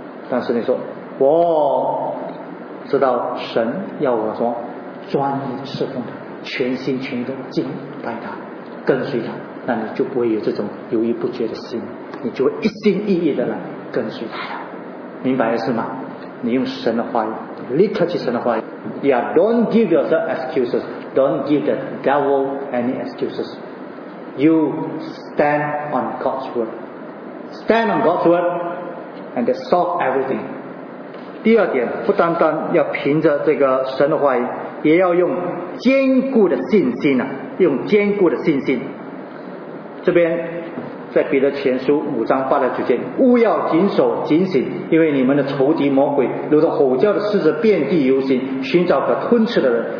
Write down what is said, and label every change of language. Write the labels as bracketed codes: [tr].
[zh] 但是你说我知道神要我说专一侍奉他，全心全意的敬拜他，跟随他，那你就不会有这种犹豫不决的心，你就会一心一意的来跟随他了。明白了是吗？你用神的话语，立刻去神的话语。 [en] Yeah, don't give yourself excuses, don't give the devil any excuses. You stand on God's word, stand on God's wordAnd they solve everything. [zh] 第二点，不单单要凭着这个神的话语，也要用坚固的信心啊，用坚固的信心。这边在彼得前书五章八到九节，务要谨守警醒，因为你们的仇敌魔鬼如同吼叫的狮子遍地游行，寻找可吞吃的人。